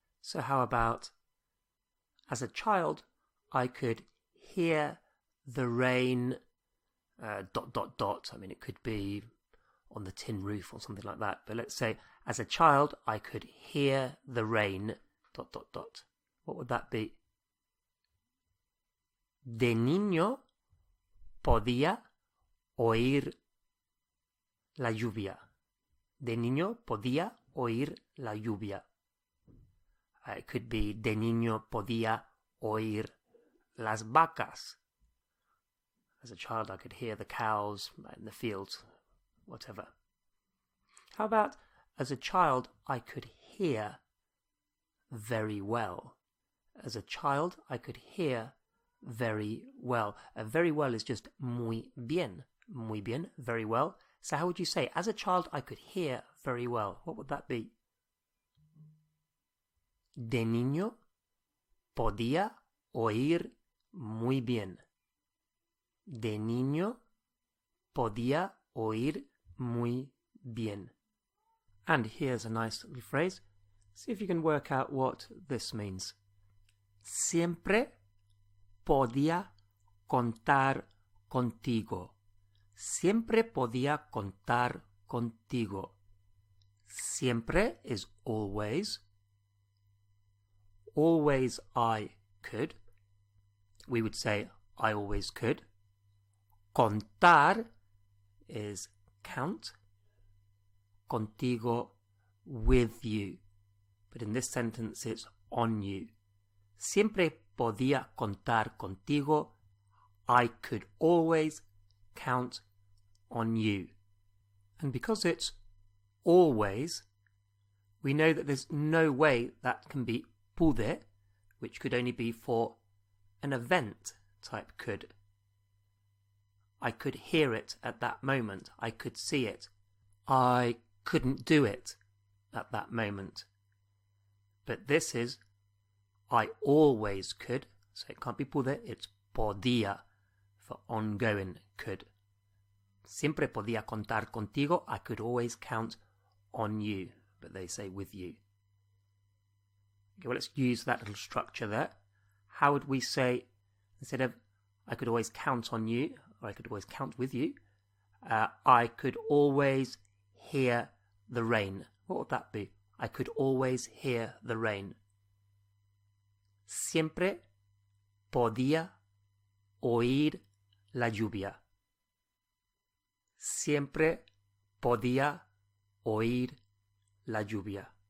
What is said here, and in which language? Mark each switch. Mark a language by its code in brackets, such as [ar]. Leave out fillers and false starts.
[en] So how about, as a child, I could hear the rain, .. I mean, it could be on the tin roof or something like that. But let's say, as a child, I could hear the rain, .. What would that be? [es] De niño podía oír la lluvia. De niño podía oír la lluvia. [en] It could be [es] de niño podía oír las vacas. [en] As a child, I could hear the cows in the fields, whatever. How about, as a child, I could hear very well. As a child, I could hear very well. Very well is just muy bien. Muy bien, very well. So how would you say, as a child, I could hear very well? What would that be? De niño, podía oír muy bien. De niño, podía oír muy bien. And here's a nice little phrase. See if you can work out what this means. [es] Siempre podía contar contigo. Siempre podía contar contigo. [en] Siempre is always. Always I could. We would say I always could. Contar is count. Contigo, with you. But in this sentence, it's on you. [es] Siempre podía contar contigo. [en] I could always count on you. And because it's always, we know that there's no way that can be pude, which could only be for an event type could. I could hear it at that moment. I could see it. I couldn't do it at that moment. But this is, I always could, so it can't be pude, it's podía, for ongoing could. [es] Siempre podía contar contigo, [en] I could always count on you, but they say with you. Okay, well, let's use that little structure there. How would we say, instead of I could always count on you, or I could always count with you, I could always hear the rain. What would that be? I could always hear the rain. [es] Siempre podía oír la lluvia. Siempre podía oír la lluvia.